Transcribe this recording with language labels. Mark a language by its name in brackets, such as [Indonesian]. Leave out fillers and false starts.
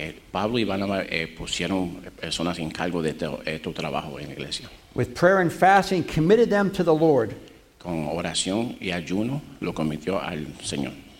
[Spanish] Pablo y Barnabas pusieron personas en cargo de este trabajo en la iglesia. [English] With prayer and fasting, committed them to the Lord. [Spanish] Con oración y ayuno, lo convirtió al Señor.